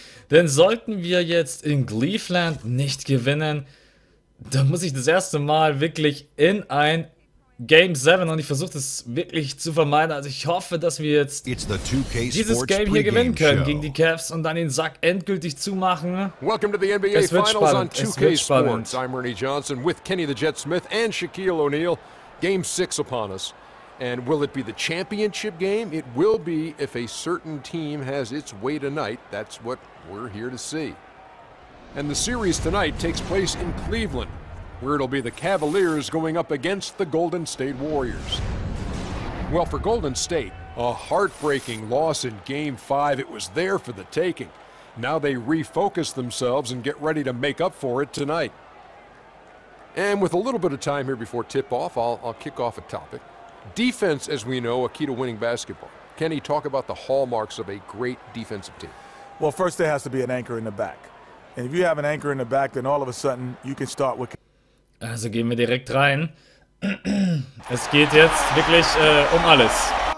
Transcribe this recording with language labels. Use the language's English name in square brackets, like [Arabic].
[German] Denn sollten wir jetzt in Cleveland nicht gewinnen, dann muss ich das erste Mal wirklich in ein Game 7 und ich versuche das wirklich zu vermeiden. Also ich hoffe, dass wir jetzt dieses Game hier gewinnen können gegen die Cavs und dann den Sack endgültig zumachen. [English] Welcome to the NBA Finals on 2K Sports. I'm Ernie Johnson with Kenny the Jet Smith and Shaquille O'Neal. Game 6 upon us. And will it be the championship game? It will be if a certain team has its way tonight. That's what we're here to see. And the series tonight takes place in Cleveland, where it'll be the Cavaliers going up against the Golden State Warriors. Well, for Golden State, a heartbreaking loss in Game 5. It was there for the taking. Now they refocus themselves and get ready to make up for it tonight. And with a little bit of time here before tip-off, I'll kick off a topic. Defense, as we know, a key to winning basketball. Kenny, talk about the hallmarks of a great defensive team. Well, first there has to be an anchor in the back. And if you have an anchor in the back, then all of a sudden you can start with... [German] Also gehen wir direkt rein. Es geht jetzt wirklich um alles.